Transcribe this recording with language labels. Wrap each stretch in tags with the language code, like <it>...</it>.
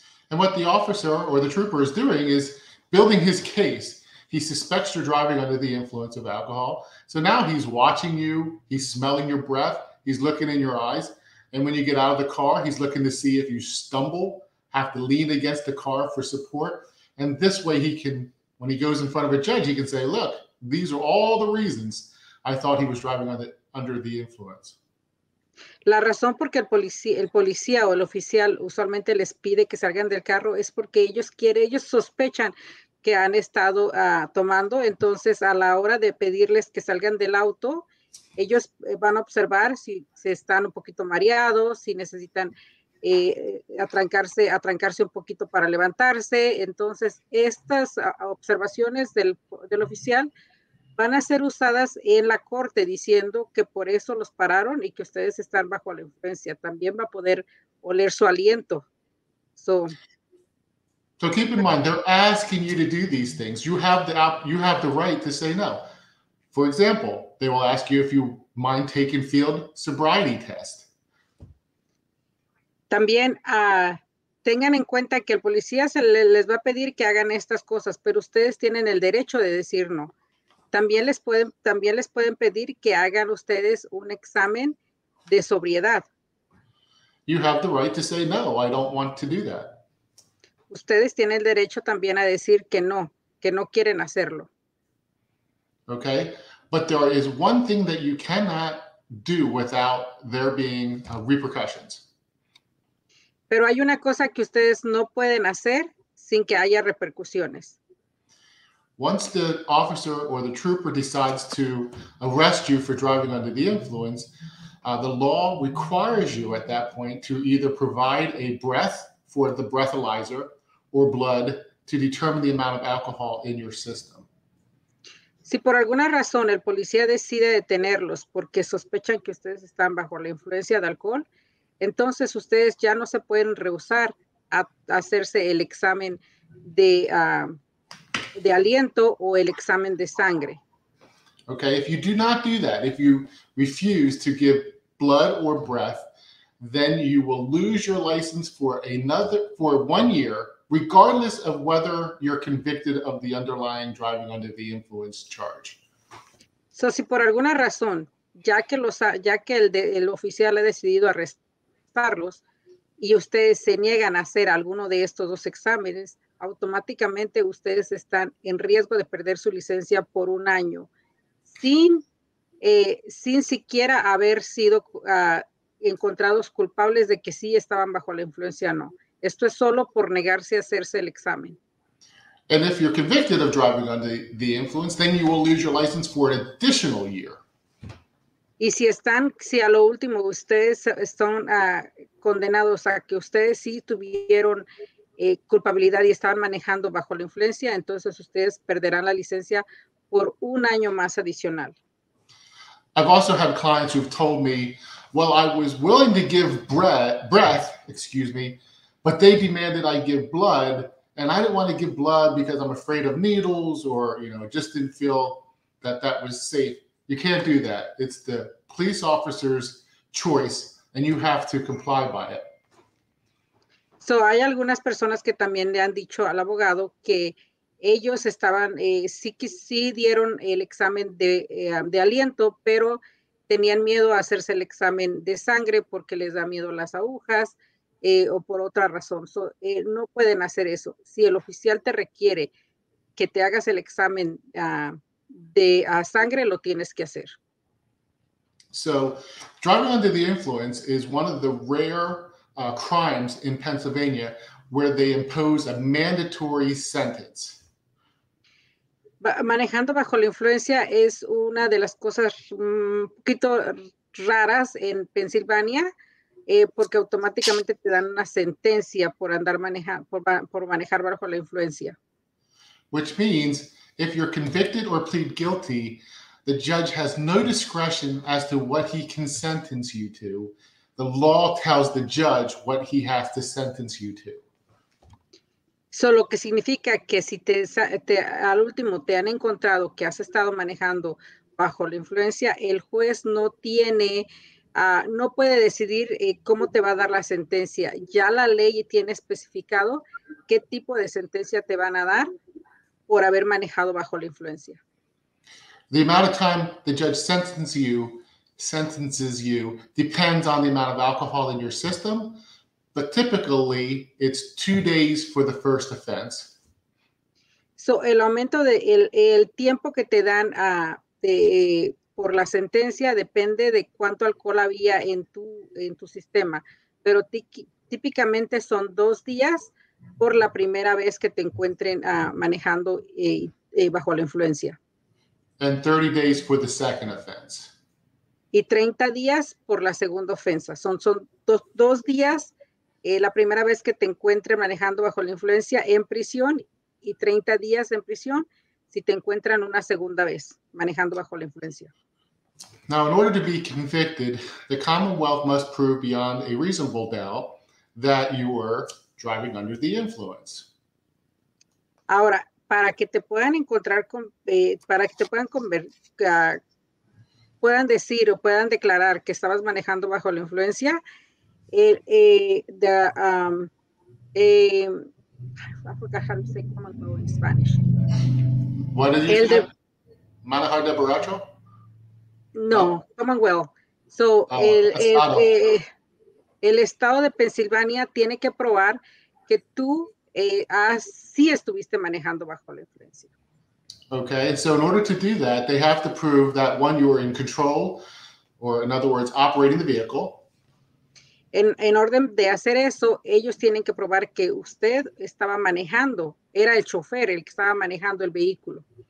<en>And what the officer or the trooper is doing is building his case. He suspects you're driving under the influence of alcohol. So now he's watching you, he's smelling your breath, he's looking in your eyes. And when you get out of the car, he's looking to see if you stumble, have to lean against the car for support. And this way he can, when he goes in front of a judge, he can say, look, these are all the reasons I thought he was driving under the influence.</en> <es>La razón por que el policía o el oficial usualmente les pide que salgan del carro es porque ellos sospechan que han estado tomando. Entonces, a la hora de pedirles que salgan del auto, ellos van a observar si se están un poquito mareados, si necesitan atrancarse un poquito para levantarse. Entonces, estas observaciones del oficial van a ser usadas en la corte diciendo que por eso los pararon y que ustedes están bajo la influencia. También va a poder oler su aliento.</es> <en>So keep in mind, they're asking you to do these things. You have the right to say no. For example, they will ask you if you mind taking field sobriety test.</en> <es>También tengan en cuenta que el policía les va a pedir que hagan estas cosas, pero ustedes tienen el derecho de decir no. También les pueden pedir que hagan ustedes un examen de sobriedad.</es> <en>You have the right to say no, I don't want to do that.</en> <es>Ustedes tienen el derecho también a decir que no quieren hacerlo.</es> <en>Okay, but there is one thing that you cannot do without there being repercussions.</en> <es>Pero hay una cosa que ustedes no pueden hacer sin que haya repercusiones.</es> <en>Once the officer or the trooper decides to arrest you for driving under the influence, the law requires you at that point to either provide a breath for the breathalyzer or blood to determine the amount of alcohol in your system.</en> <es>Si por alguna razón el policía decide detenerlos porque sospechan que ustedes están bajo la influencia de alcohol, entonces ustedes ya no se pueden rehusar a hacerse el examen de aliento o el examen de sangre.</es> <en>Okay, if you do not do that, if you refuse to give blood or breath, then you will lose your license for 1 year, regardless of whether you're convicted of the underlying driving under the influence charge.</en> <es>So si por alguna razón, ya que el oficial ha decidido arrestarlos y ustedes se niegan a hacer alguno de estos dos exámenes, automáticamente ustedes están en riesgo de perder su licencia por 1 año sin siquiera haber sido encontrados culpables de que sí estaban bajo la influencia o no. Esto es solo por negarse a hacerse el examen.</es> <en>And if you're convicted of driving under the influence, then you will lose your license for an additional year.</en> <es>Y si están, si a lo último ustedes son condenados a que ustedes sí tuvieron culpabilidad y estaban manejando bajo la influencia, entonces ustedes perderán la licencia por 1 año más adicional.</es> <en>I've also had clients who've told me, well, I was willing to give breath, but they demanded I give blood, and I didn't want to give blood because I'm afraid of needles or, you know, just didn't feel that was safe. You can't do that. It's the police officer's choice, and you have to comply by it.</en> <es>So, hay algunas personas que también le han dicho al abogado que ellos estaban, sí dieron el examen de aliento, pero tenían miedo a hacerse el examen de sangre porque les da miedo las agujas o por otra razón. No pueden hacer eso. Si el oficial te requiere que te hagas el examen de sangre, lo tienes que hacer.</es> <en>So, driving under the influence is one of the rare crimes in Pennsylvania where they impose a mandatory sentence.</en> <es>Manejando bajo la influencia es una de las cosas poquito raras en Pennsylvania porque automáticamente te dan una sentencia por manejar bajo la influencia.</es> <en>Which means if you're convicted or plead guilty, the judge has no discretion as to what he can sentence you to. The law tells the judge what he has to sentence you to.</en> <es>So, lo que significa que si te al último te han encontrado que has estado manejando bajo la influencia, el juez no tiene, no puede decidir cómo te va a dar la sentencia. Ya la ley tiene especificado qué tipo de sentencia te van a dar por haber manejado bajo la influencia.</es> <en>The amount of time the judge sentences you depends on the amount of alcohol in your system, but typically it's 2 days for the first offense.</en> <es>So el aumento de el tiempo que te dan a de por la sentencia depende de cuánto alcohol había en tu sistema, pero típicamente son 2 días por la primera vez que te encuentren manejando bajo la influencia.</es> <en>And 30 days for the second offense.</en> <es>Y 30 días por la segunda ofensa. Son dos días la primera vez que te encuentren manejando bajo la influencia en prisión y 30 días en prisión si te encuentran una segunda vez manejando bajo la influencia.</es> <en>Now, in order to be convicted, the Commonwealth must prove beyond a reasonable doubt that you were driving under the influence.</en> <es>Ahora, para que te puedan encontrar, puedan decir o puedan declarar que estabas manejando bajo la influencia, el estado de Pensilvania tiene que probar que tú sí estuviste manejando bajo la influencia.</es> <en>Okay, and so in order to do that, they have to prove that one, you were in control, or in other words, operating the vehicle.</en> <es>En orden de hacer eso, ellos tienen que probar que usted estaba manejando, era el chofer el que estaba manejando el vehículo.</es>